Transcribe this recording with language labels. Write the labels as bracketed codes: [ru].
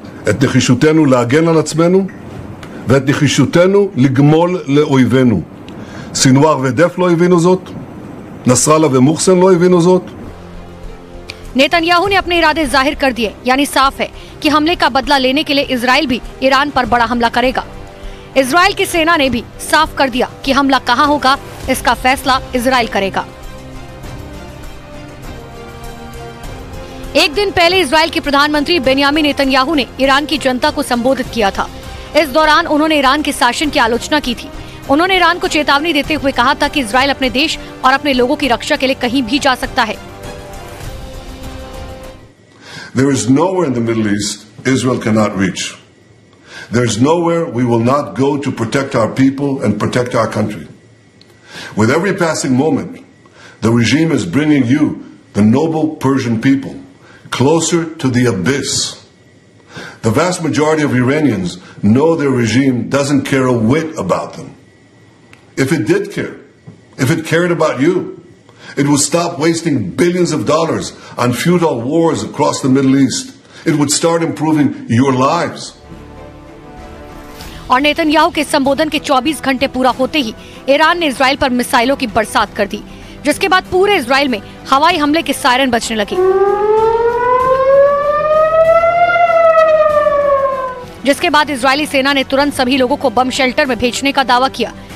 [he] את נחישותנו להגן על עצמנו ואת נחישותנו לגמול לאויבינו. סינואר ודף לא הבינו זאת, נסראללה ומוחסן לא הבינו זאת. [hi] Netanyahu ने अपने इरादे जाहिर कर दिए, यानी साफ है कि हमले का बदला लेने के लिए इजराइल भी ईरान पर बड़ा हमला करेगा। इजराइल की सेना ने भी साफ कर दिया कि हमला कहां होगा, इसका फैसला इजराइल करेगा। एक दिन पहले इसराइल के प्रधानमंत्री बेन्यामिन नेतन्याहू ने ईरान की जनता को संबोधित किया था। इस दौरान उन्होंने ईरान के शासन की आलोचना की थी। उन्होंने ईरान को चेतावनी देते हुए कहा था कि इसराइल अपने देश और अपने लोगों की रक्षा के लिए कहीं भी जा सकता है। [en] There is nowhere in the Middle East Israel cannot reach. There is nowhere we will not go to protect our people and protect our country. With every passing moment, the regime is bringing you, the noble Persian people, closer to the abyss. The vast majority of Iranians know their regime doesn't care a whit about them. If it did care, if it cared about you, it would stop wasting billions of dollars on futile wars across the Middle East. It would start improving your lives. [hi] और Netanyahu के संबोधन के 24 घंटे पूरा होते ही Iran ने Israel पर मिसाइलों की बरसात कर दी, जिसके बाद पूरे इजराइल में हवाई हमले के सायरन बजने लगे, जिसके बाद इजरायली सेना ने तुरंत सभी लोगों को बम शेल्टर में भेजने का दावा किया।